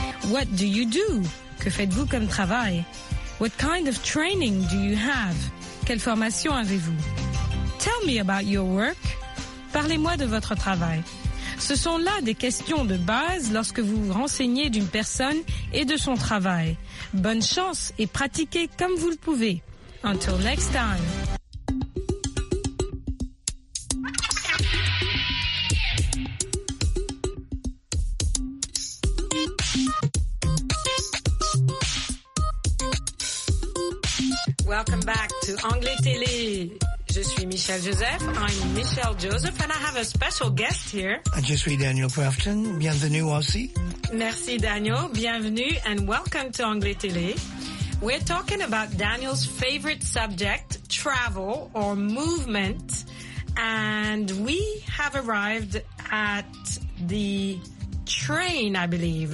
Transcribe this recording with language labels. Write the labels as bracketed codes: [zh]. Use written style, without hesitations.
[en] What do you do? [fr] Que faites-vous comme travail? [en] What kind of training do you have? [fr] Quelle formation avez-vous? [en] Tell me about your work. [fr] Parlez-moi de votre travail. Ce sont là des questions de base lorsque vous vous renseignez d'une personne et de son travail. Bonne chance et pratiquez comme vous le pouvez. [en] Until next time. Welcome back to Anglais Télé. [fr] Je suis Michelle Joseph. [en] I'm Michelle Joseph, and I have a special guest here. [fr] Je suis Daniel Crafton. Bienvenue aussi. Merci, Daniel. Bienvenue, [en] and welcome to Anglais Télé. We're talking about Daniel's favorite subject, travel or movement, and we have arrived at the train, I believe.